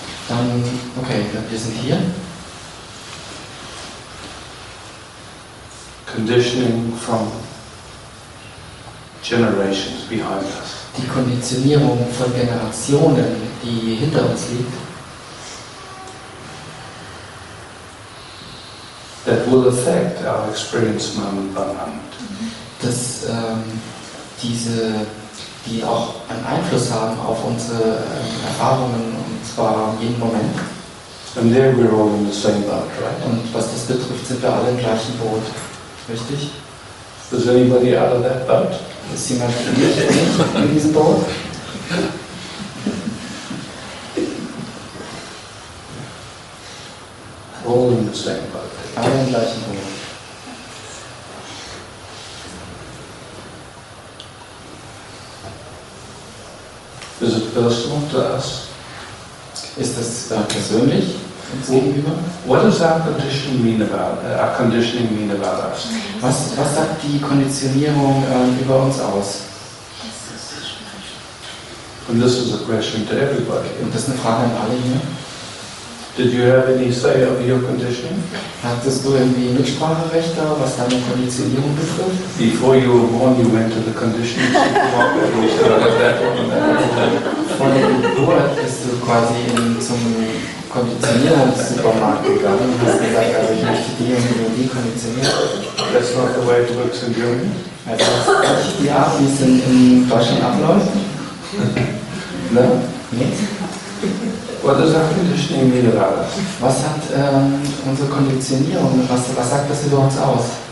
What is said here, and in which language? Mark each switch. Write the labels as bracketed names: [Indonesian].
[German] Dann okay, dann wir sind hier. [English] Conditioning from generations behind us. [German] Die Konditionierung von Generationen, die hinter uns liegt. [English] That will affect our experience moment by moment. [German] Dass diese, die auch einen Einfluss haben auf unsere Erfahrungen, und zwar jeden Moment. [English] And there we're all in the same boat, right? [German] Und was das betrifft, sind wir alle im gleichen Boot. Richtig? [English] Is anybody out of that boat? [German] Ist jemand für mich in diesem Boot? [English] All in the same boat. [German] Alle im gleichen Boot. [English] Is it personal to us? [German] Ist das persönlich uns gegenüber? [English] What does our condition mean about our conditioning mean about us? [German] Was sagt die Konditionierung über uns aus? [English] And this is a question to everybody. [German] Und das ist eine Frage an alle hier. [English] Did you have any say of your conditioning? [German] Hattest du irgendwie Mitspracherecht da, was deine Konditionierung betrifft? [English] Before you were born, you went to the conditioning supermarket. [German] Ich habe das von der Geburt bist du quasi zum Konditionierungssupermarkt gegangen und hast gesagt, also ich möchte die und die, die konditionieren. [English] That's not the way it works in Germany. [German] Also das ist nicht die Art, wie es in Deutschland abläuft. Ne? Nee. [English] What does our conditioning mean about us? [German] Was hat unsere Konditionierung, was sagt das über uns aus?